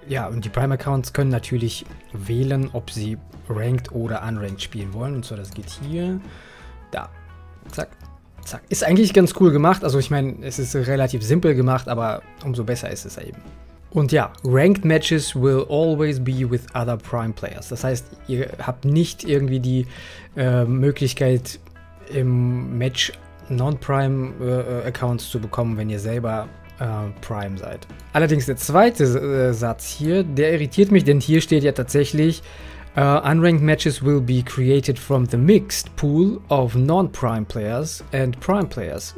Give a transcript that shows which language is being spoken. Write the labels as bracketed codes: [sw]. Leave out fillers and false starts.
[de] Und die Prime Accounts können natürlich wählen, ob sie ranked oder unranked spielen wollen. Und zwar, das geht hier, da, zack, zack. Ist eigentlich ganz cool gemacht. Also ich meine, es ist relativ simpel gemacht, aber umso besser ist es eben. Und ja, [en] Ranked Matches will always be with other Prime Players. [de] Das heißt, ihr habt nicht irgendwie die Möglichkeit, im Match Non-Prime Accounts zu bekommen, wenn ihr selber Prime seid. Allerdings der zweite Satz hier, der irritiert mich, denn hier steht ja tatsächlich, [en] Unranked Matches will be created from the mixed pool of Non-Prime Players and Prime Players.